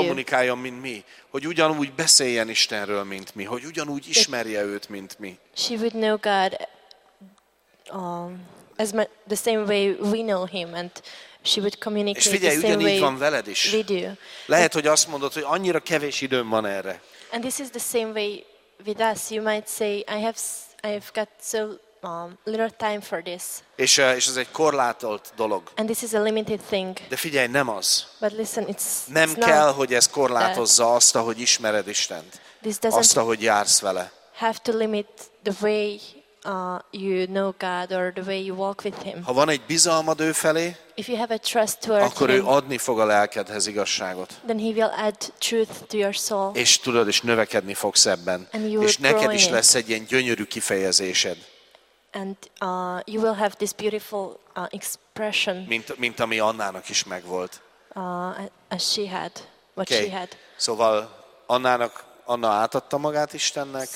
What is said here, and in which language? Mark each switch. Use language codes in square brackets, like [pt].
[hu] Kommunikáljon, mint mi, hogy ugyanúgy beszéljen Istenről, mint mi, hogy ugyanúgy ismerje őt, mint mi. [en] She would know God as the same way we know him, and she would communicate. [hu] És figyelj, [en] the same [hu] ugyanígy van veled is. [en] We do. [hu] Lehet, hogy azt mondod, hogy annyira kevés időm van erre. [en] And this is the same way with us. You might say, I've got so little time for this. [hu] És ez egy korlátolt dolog. [en] And this is a limited thing. [hu] De figyelj, nem az. [en] But listen, it's [hu] nem [en] it's [hu] kell, [en] not [hu] hogy ez korlátozza azt, ahogy ismered Istent. [en] This doesn't [hu] azt, ahogy jársz vele. [en] Have to limit the way you know God or the way you walk with him. [hu] Ha van egy bizalmad ő felé, [en] if you have a trust towards [hu] akkor [en] him, [hu] ő adni fog a lelkedhez igazságot. [en] Then he will add truth to your soul. [hu] És tudod, és növekedni fogsz ebben. És neked is lesz egy ilyen gyönyörű kifejezésed. [en] And you will have this beautiful expression. [hu] Mint ami Annának is megvolt. [en] As she had, what okay. She had. [hu] Szóval Anna átadta magát Istennek.